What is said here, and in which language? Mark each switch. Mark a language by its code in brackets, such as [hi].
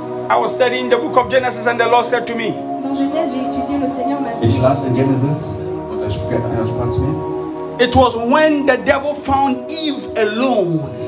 [en] I was studying the book of Genesis and the Lord said to me, [de] ich las in Genesis, und er sprach zu mir, [en] it was when the devil found Eve alone.